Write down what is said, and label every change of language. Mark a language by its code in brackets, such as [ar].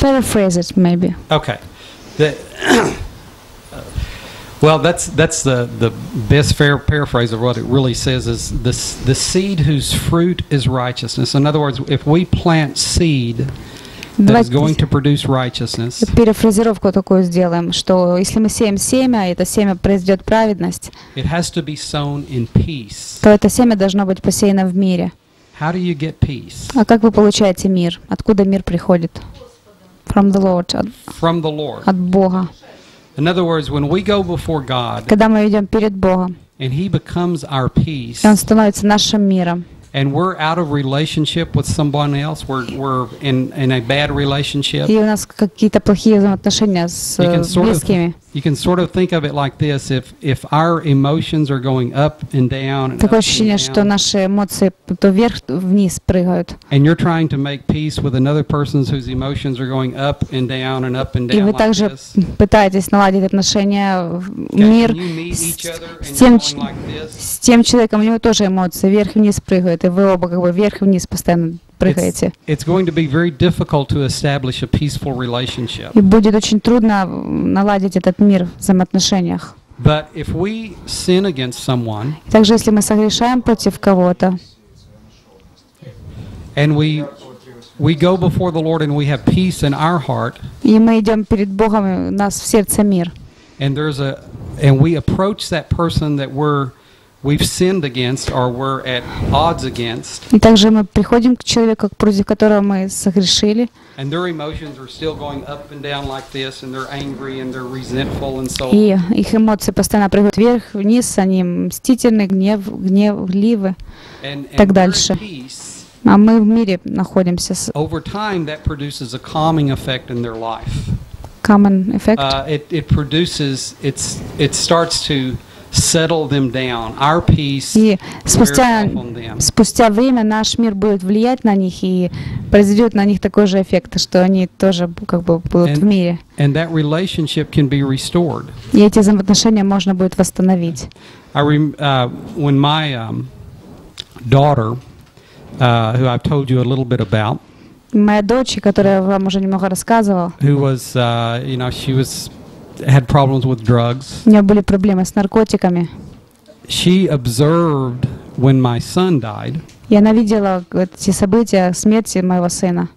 [en] Paraphrase it, maybe. Okay. The... Well, that's the best fair paraphrase of what it really says is the seed whose fruit is righteousness. In other words, if we plant seed that is going to produce righteousness. [ru] Перефразировку такую сделаем, что если мы сеем семя, и это семя произведет праведность. [en] It has to be sown in peace. [ru] То это семя должно быть посеяно в мире. [en] How do you get peace? [ru] А как вы получаете мир? Откуда мир приходит? [en] From the Lord. From the Lord. [ru] От Бога. [en] In other words, when we go before God, [ru] когда мы идем перед Богом, [en] and He becomes our peace, [ru] и Он становится нашим миром, [en] and we're out of relationship with someone else, we're in a bad relationship, [ru] и у нас какие-то плохие взаимоотношения с близкими. [en] You can sort of think of it like this: if our emotions are going up and down, [ru] такое ощущение, что наши эмоции то вверх, вниз прыгают. [en] And you're trying to make peace with another person whose emotions are going up and down and up and down. [ru] И вы также пытаетесь наладить отношения, мир с тем человеком, у него тоже эмоции вверх вниз прыгают, и вы оба как бы вверх вниз постоянно. [en] It's going to be very difficult to establish a peaceful relationship. [ru] И будет очень трудно наладить этот мир в взаимоотношениях. [en] But if we sin against someone, [ru] также если мы согрешаем против кого-то, [en] and we go before the Lord and we have peace in our heart, [ru] и мы идем перед Богом, у нас в сердце мир. [en] And we approach that person that we've sinned against or we're at odds against. [ru] И также мы приходим к человеку, против которого мы согрешили. [en] And their emotions are still going up and down like this, and they're angry and they're resentful and so on. [ru] И их эмоции постоянно прыгают вверх, вниз, они мстительны, гневливы. [en] And [ru] так дальше. А мы в мире находимся. [en] Over time that produces a calming effect in their life. Common effect. It produces it starts to settle them down. Our peace. [ru] И спустя время наш мир будет влиять на них и произведет на них такой же эффект, что они тоже как бы будут в мире. [en] And that relationship can be restored. [ru] И эти взаимоотношения можно будет восстановить. [en] When my daughter, who I've told you a little bit about, [ru] моя дочь, которая вам уже немного рассказывала, [en] who was, you know, she was. Had problems with drugs. [ru] У нее были проблемы с наркотиками. [en] She observed when my son died. [ru] И она видела эти события смерти моего сына.